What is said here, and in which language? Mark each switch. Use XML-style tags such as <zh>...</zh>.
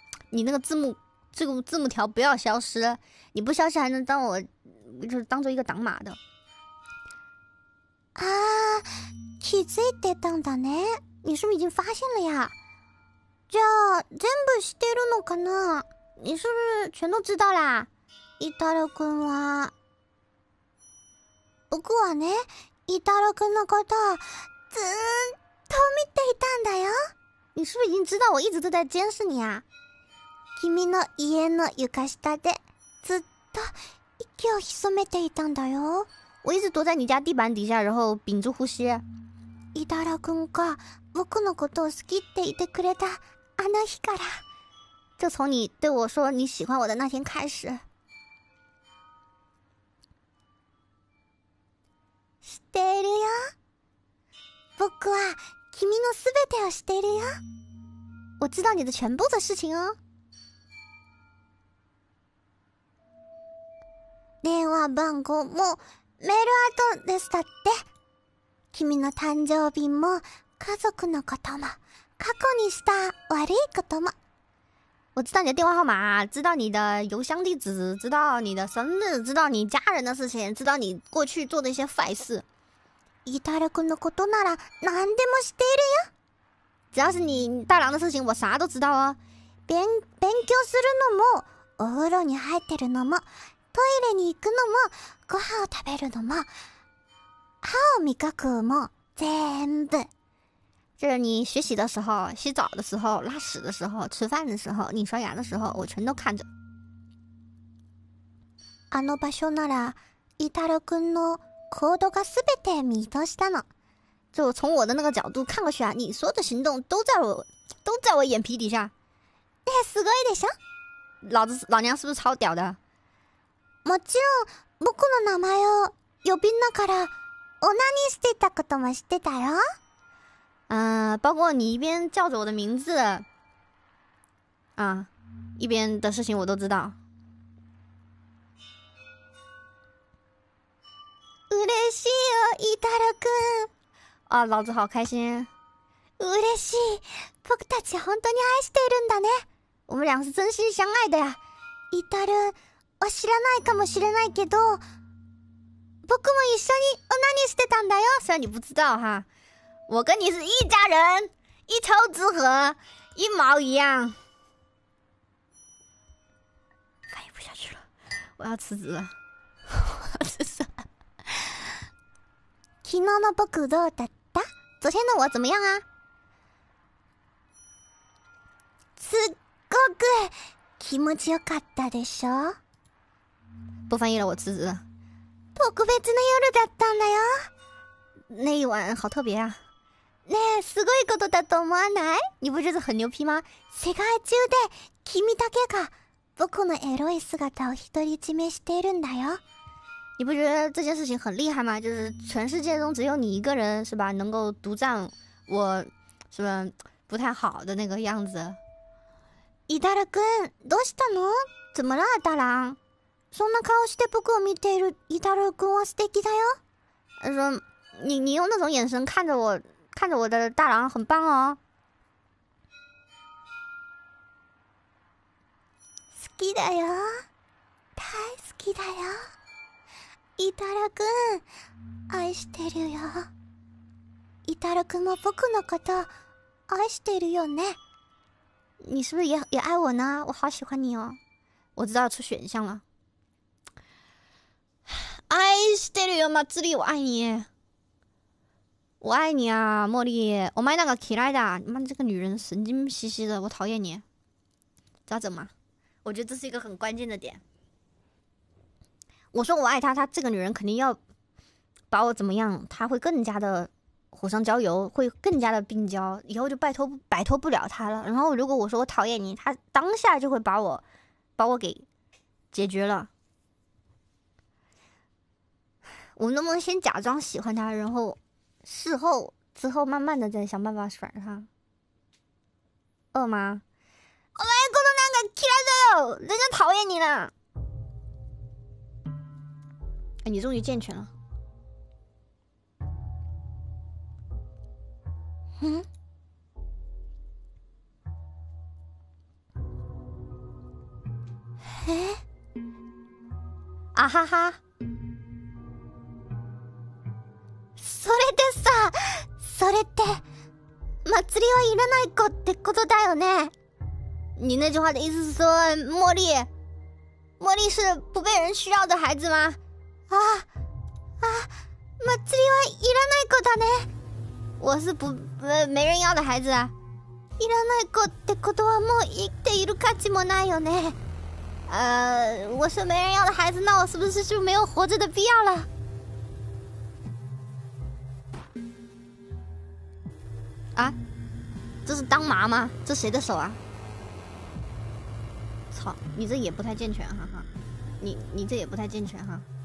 <zh>你那个字幕。这个字幕条不要消失，你不消失还能当我就是当做一个挡码的。</zh> <ja>啊，気づいてたんだね。</ja> <zh>你是不是已经发现了呀？</zh> <ja>じゃあ全部知ってるのかな？</ja> <zh>你是不是全都知道啦？</zh> <ja>イタロ君は、僕はね、イタロ君のことずっと見ていたんだよ。</ja> <zh>你是不是已经知道我一直都在监视你啊？</zh> <ja>君の家の床下でずっと息を潜めていたんだよ。</ja> <zh>我一直躲在你家地板底下，然后屏住呼吸。</zh> <ja>イタラ君が僕のことを好きって言ってくれたあの日から。</ja> <zh>就从你对我说你喜欢我的那天开始。</zh> <ja>知っているよ。僕は君のすべてを知っているよ。</ja> <zh>我知道你的全部的事情哦。</zh> <ja>電話番号もメールアドレスだって。君の誕生日も家族のことも過去にした悪いことも。</ja> <zh>我知道你的电话号码，知道你的邮箱地址，知道你的生日，知道你家人的事情，知道你过去做的一些坏事。</zh> <ja>伊达郎君のことなら何でも知っているよ。</ja> <zh>只要是你大郎的事情，我啥都知道哦。</zh> <ja>勉強するのも、お風呂に入ってるのも、トイレに行くのも、ご飯を食べるのも、歯を磨くのも、全部。</ja> <zh>就是你学习的时候、洗澡的时候、拉屎的时候、吃饭的时候、你刷牙的时候、我全都看着。</zh> <ja>あの場所なら、伊太郎くんの行動がすべて見通したの。</ja> <zh>就从我的那个角度看过去啊，你所有的行动都在我眼皮底下。</zh> <ja>え、すごいでしょ？</ja> <zh>老娘是不是超屌的？</zh> <ja>もちろん、僕の名前を呼びながら、オナニーしてたことも知ってたよ。</ja> <zh>包括你一边叫着我的名字，啊，一边的事情我都知道。</zh> <ja>嬉しいよ、伊太郎くん。</ja> <zh>啊，老子好开心。</zh> <ja>嬉しい、僕たち本当に愛しているんだね。</ja> <zh>我们俩是真心相爱的呀。</zh> <ja>伊太郎、我知らないかもしれないけど、僕も一緒にオナニーしてたんだよ。</ja> <zh>虽然你不知道哈。我跟你是一家人，一丘之貉，一毛一样。翻译不下去了，我要辞职了。昨天的</zh> <ja>僕どうだった？</ja> <zh>昨天的我怎么样啊？</zh> <ja>すごく気持ちよかったでしょ？</ja> <zh>不翻译了，我辞职了。</zh> <ja>特別な夜だったんだよ。</ja> <zh>那一晚好特别啊。</zh> <ja>ねえ、すごいことだと思わない？</ja> <zh>你不觉得很牛皮吗？</zh> <ja>世界中で君だけが僕のエロい姿を独り占めしているんだよ。</ja> <zh>你不觉得这件事情很厉害吗？就是全世界中只有你一个人是吧，能够独占我什么不太好的那个样子。</zh> <ja>伊太郎君、どうしたの？</ja> <zh>怎么了，大郎？</zh> <ja>そんな顔して僕を見ている伊太郎君は素敵だよ。</ja> <zh>他说你用那种眼神看着我的大郎很棒哦。</zh> <ja>好きだよ、大好きだよ、伊太郎くん、愛してるよ。伊太郎くんも僕のこと愛してるよね。</ja> <zh>你是不是也爱我呢？我好喜欢你哦。我知道出选项了。</zh> <ja>愛してるよ、祭り、</ja> <zh>我爱你。我爱你啊，茉莉。</zh> <ja>お前なんか嫌いだ。</ja> <zh>妈，这个女人神经兮兮的，我讨厌你。咋整嘛？我觉得这是一个很关键的点。我说我爱她，她这个女人肯定要把我怎么样？她会更加的火上浇油，会更加的病娇，以后就摆脱不了她了。然后如果我说我讨厌你，她当下就会把我给解决了。我能不能先假装喜欢她，然后？事后之后慢慢的再想办法甩他。饿吗？</zh> <ja>お前このなんか嫌いだよ，</ja> <zh>人家讨厌你了。哎，你终于健全了。嗯。哎。啊哈哈。</zh> <ja>それでさ、それって祭りはいらない子ってことだよね。</ja> <zh>你那句话的意思是说，茉莉是不被人需要的孩子吗？</zh> <ja>啊，祭りはいらない子だね。</ja> <zh>我是不没人要的孩子。</zh> <ja>いらない子ってことはもう生きている価値もないよね。</ja> <zh>我是没人要的孩子，那我是不是就没有活着的必要了？啊，这是当麻吗？这谁的手啊？操，你这也不太健全，哈哈，你这也不太健全哈。</zh>